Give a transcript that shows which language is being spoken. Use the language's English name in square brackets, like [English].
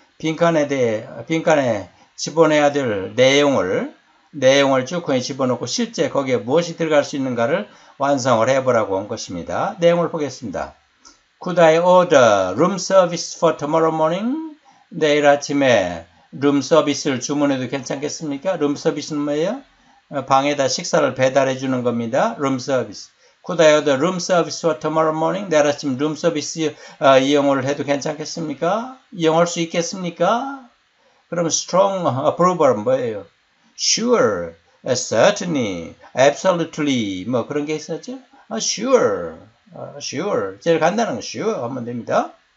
[Korean] 빈칸에 집어내야 될 내용을 쭉 거기 집어넣고 실제 거기에 무엇이 들어갈 수 있는가를 완성을 해보라고 한 것입니다. 내용을 보겠습니다. [English] Could I order room service for tomorrow morning? [Korean] 내일 아침에 룸 서비스를 주문해도 괜찮겠습니까? 룸 서비스는 뭐예요? 방에다 식사를 배달해 주는 겁니다. 룸 서비스. [English] Could I order room service for tomorrow morning? [Korean] 내일 아침 룸 서비스 이용을 해도 괜찮겠습니까? 이용할 수 있겠습니까? 그럼 strong approval은 뭐예요? [English] Sure, certainly, absolutely. [Korean] 뭐 그런 게 있었죠? [English] Sure, sure. [Korean] 제일 간단한 거 sure 하면 됩니다.